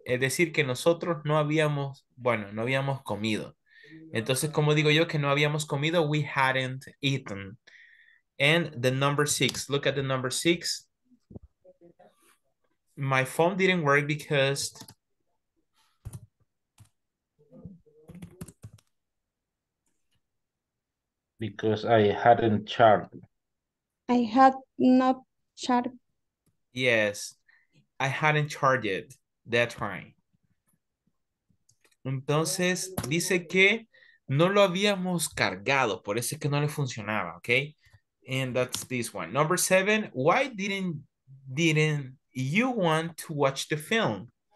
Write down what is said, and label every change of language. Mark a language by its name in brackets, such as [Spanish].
[Spanish] Es decir, que nosotros no habíamos, bueno, no habíamos comido. Entonces, como digo yo, que no habíamos comido, [English] we hadn't eaten. And the number six, look at the number six. My phone didn't work because I hadn't charged. I had not charged. Yes, I hadn't charged it. That's right. [Spanish] Entonces, dice que no lo habíamos cargado, por eso es que no le funcionaba, okay? [English] And that's this one. Number seven, why didn't you want to watch the film?